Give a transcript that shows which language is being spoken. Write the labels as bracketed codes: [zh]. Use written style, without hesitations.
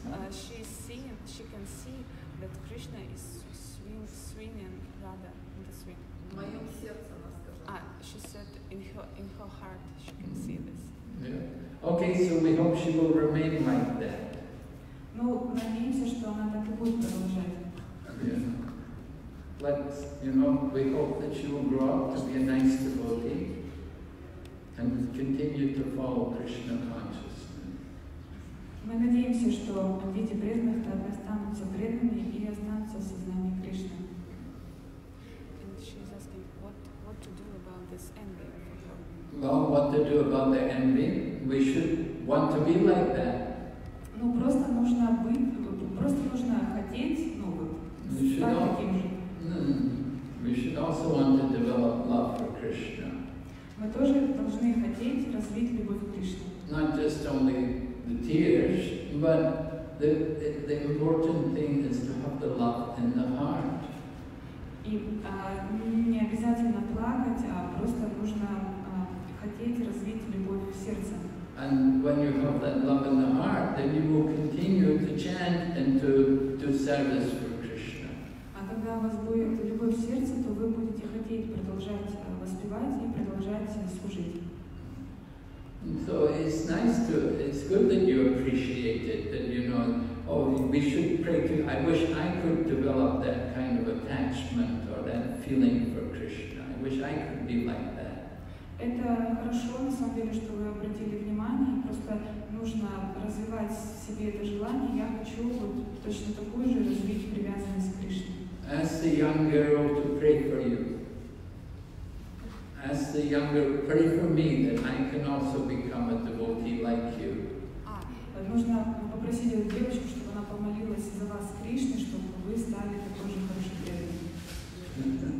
[en] She can see that Krishna is swinging Radha in the swing. [ru] Моё сердце, она сказала. [en] She said in her heart she can see this. Yeah. Okay, so we hope she will remain like that. [ru] Ну, надеемся, что она так и будет продолжать. [en] Yeah. Let's, you know, we hope that she will grow up to be a nice devotee and continue to follow Krishna consciousness. [ru] Мы надеемся, что дети преданных останутся преданными и останутся в сознании Кришны. [en] And she's asking what to do about this envy. Well, what to do about the envy? We should want to be like that. [ru] Ну просто нужно быть, просто нужно хотеть, ну вот, стать таким же. [en] We should also want to develop love for Krishna. [ru] Мы тоже должны хотеть развить любовь к Кришне. [en] Not just only the tears, but the important thing is to have the love in the heart. [ru] И не обязательно плакать, а просто нужно хотеть развить любовь в сердце. [en] And when you have that love in the heart, then you will continue to chant and to do service for Krishna. [ru] А когда у вас будет любовь в сердце, то вы будете хотеть продолжать воспевать и продолжать служить. [en] So it's nice to, it's good that you appreciate it, that you know, oh, we should pray to, I wish I could develop that kind of attachment or that feeling for Krishna. I wish I could be like that. [ru] Это хорошо, на самом деле, что вы обратили внимание. Просто нужно развивать в себе это желание. Я хочу вот точно такую же развить привязанность к Кришне. [en] Ask the young girl to pray for you. Ask the young girl, pray for me, that I can also become a devotee like you. [ru] Нужно попросить эту девочку, чтобы она помолилась за вас Кришне, чтобы вы стали такой же хорошей преданной.